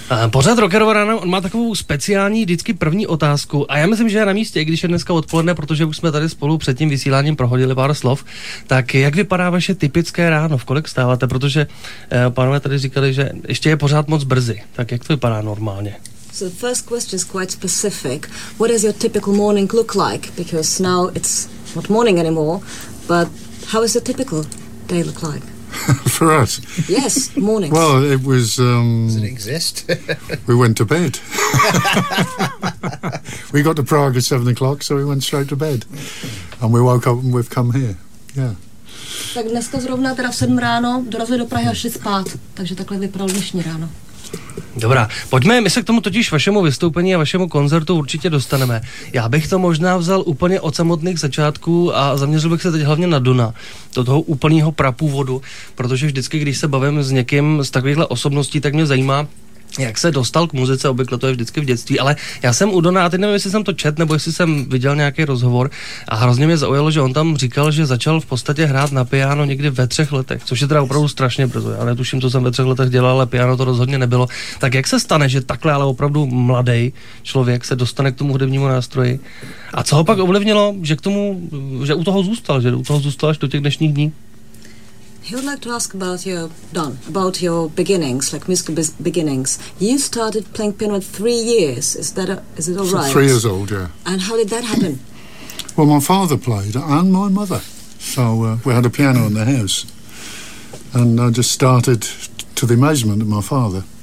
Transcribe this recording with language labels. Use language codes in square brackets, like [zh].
[cs] Pořád rockerová rána má takovou speciální vždycky první otázku a já myslím, že je na místě, i když je dneska odpoledne, protože už jsme tady spolu před tím vysíláním prohodili pár slov, tak jak vypadá vaše typické ráno, v kolik stáváte, protože pánové tady říkali, že ještě je pořád moc brzy, tak jak to vypadá normálně? [en] So the first question is quite specific. What does your typical morning look like? Because now it's not morning anymore, but how is your typical day look like? For us? Yes, morning. Well, it was... Does it exist? We went to bed. We got to Prague at 7 o'clock, so we went straight to bed. And we woke up and we've come here. Yeah. [cs] Tak dneska zrovna teda v 7 ráno dorazili do Prahy a šli spát. Takže takhle vypadal dnešní ráno. Dobrá, pojďme, my se k tomu totiž vašemu vystoupení a vašemu koncertu určitě dostaneme. Já bych to možná vzal úplně od samotných začátků a zaměřil bych se teď hlavně na Dona, do toho úplného prapůvodu, protože vždycky, když se bavím s někým z takovýchhle osobností, tak mě zajímá, jak se dostal k muzice, obvykle to je vždycky v dětství, ale já jsem u Dona, a teď nevím, jestli jsem to čet, nebo jestli jsem viděl nějaký rozhovor a hrozně mě zaujalo, že on tam říkal, že začal v podstatě hrát na piano někdy ve 3 letech, což je teda opravdu strašně brzo, já netuším, co jsem ve 3 letech dělal, ale piano to rozhodně nebylo. Tak jak se stane, že takhle ale opravdu mladý člověk se dostane k tomu hudebnímu nástroji? A co ho pak ovlivnilo, že k tomu, že u toho zůstal, že u toho zůstal až do těch dnešních dní? [en] He would like to ask about your, Don, about your beginnings, like musical beginnings. You started playing piano at 3 years, is it all right? 3 years old, yeah. And how did that happen? Well, my father played and my mother. So we had a piano in the house. And I just started to the amazement of my father.